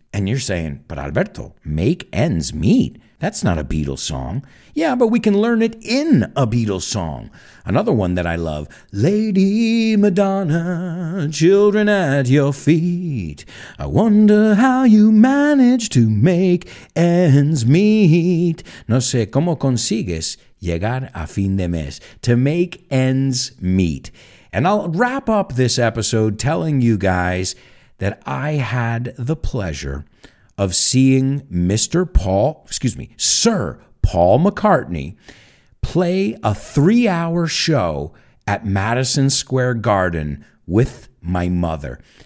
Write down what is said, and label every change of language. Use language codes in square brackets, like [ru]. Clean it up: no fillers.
[en] And you're saying, "But Alberto, make ends meet? That's not a Beatles song." Yeah, but we can learn it in a Beatles song. Another one that I love, "Lady Madonna, children at your feet. I wonder how you manage to make ends meet." [es] No sé cómo consigues llegar a fin de mes. [en] To make ends meet. And I'll wrap up this episode telling you guys that I had the pleasure of seeing Sir Paul McCartney play a 3-hour show at Madison Square Garden with my mother.